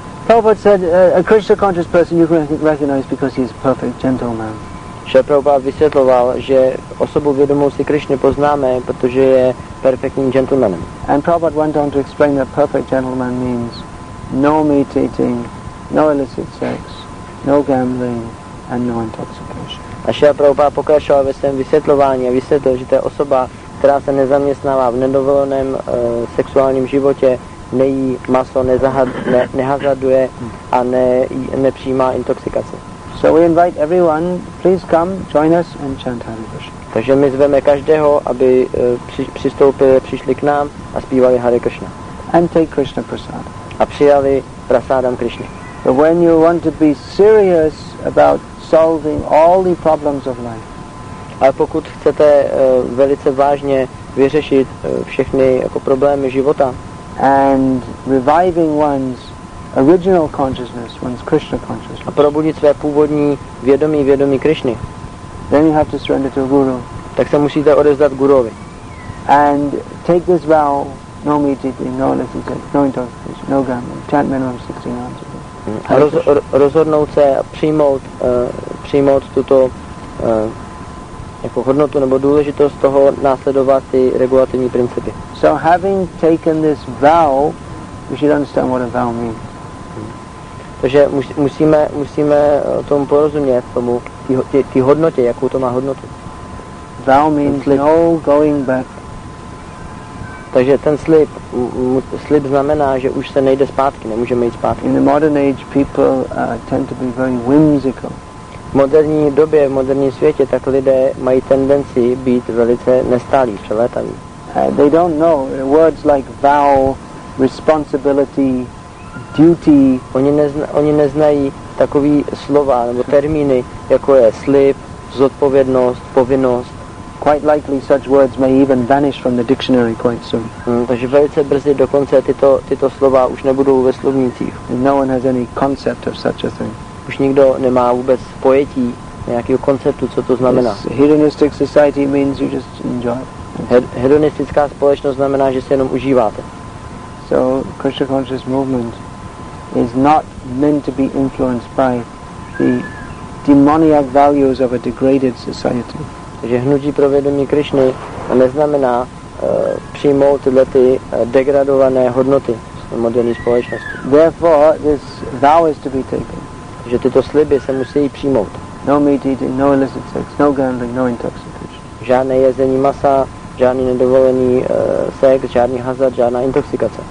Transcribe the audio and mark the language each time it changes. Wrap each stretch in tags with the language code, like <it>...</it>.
<en>Prabhupada said, a Krishna conscious person you can recognize because he is a perfect gentleman.</en> <cs>Šrila Prabhupada vysvětloval, že osobu vědomou si Krishny poznáme, protože je perfektním gentlemanem.</cs> <en>And Prabhupada went on to explain that perfect gentleman means no meat eating, no illicit sex, no gambling and no intoxication.</en> <cs>A Šrila Prabhupada pokračoval ve svém vysvětlování a vysvětlil, že to je osoba, která se nezaměstnává v nedovoleném sexuálním životě, nejí maso, nehazarduje a nepřijímá intoxikace.</cs> <en>So we invite everyone, please come, join us and chant Hare Krishna.</en> <cs>Takže my zveme každého, aby přišli k nám a zpívali Hare Krishna.</cs> <en>And take Krishna prasad.</en> <cs>A přijali prasádam Krishna.</cs> <en>But when you want to be serious about solving all the problems of life.</en> <cs>Ale pokud chcete velice vážně vyřešit všechny jako problémy života</cs> <en>and reviving one's original consciousness, one's Krishna consciousness,</en> <cs>a probudit své původní vědomí Krishny,</cs> <en>then you have to surrender to Guru.</en> <cs>Tak se musíte odevzdat Guruovi.</cs> <en>And take this vow, no meat eating, no illicit sex, no intoxication, no gambling, chant minimum 16 hours.</en> <cs>A rozhodnout se přijmout tuto jako hodnotu nebo důležitost toho následovat ty regulativní principy.</cs> <en>So having taken this vow, we should understand what a vow means.</en> <cs>Takže musíme tomu porozumět, tomu ty hodnotě, jakou to má hodnotu.</cs> <en>Vow means no going back.</en> <cs>Takže ten slib znamená, že už se nejde zpátky, nemůžeme jít zpátky.</cs> <en>In the modern age people tend to be very whimsical.</en> <cs>V moderní době, v moderním světě, tak lidé mají tendenci být velice nestálí, přelétaví.</cs> <en>They don't know words like vow, responsibility, duty.</en> <cs>Oni neznají takový slova nebo termíny, jako je slib, zodpovědnost, povinnost.</cs> <en>Quite likely such words may even vanish from the dictionary quite soon.</en> <cs>Takže velice brzy dokonce tyto slova už nebudou ve slovnících.</cs> <en>And no one has any concept of such a thing.</en> <cs>Už nikdo nemá vůbec pojetí nějakého konceptu, co to znamená.</cs> <en>This hedonistic society means you just enjoy.</en> <cs>Hedonistická společnost znamená, že se jenom užíváte.</cs> <en>So Krishna conscious movement is not meant to be influenced by the demoniac values of a degraded society.</en> <cs>Takže hnutí pro vědomí Krishny neznamená přijmout tyhle degradované hodnoty moderní společnosti.</cs> <en>Therefore this vow is to be taken.</en> <cs>Že tyto sliby se musí přijmout.</cs> <en>No meat eating, no illicit sex, no gambling, no intoxication.</en> <cs>Žádné jezení masa, žádný nedovolený sex, žádný hazard, žádná intoxikace.</cs>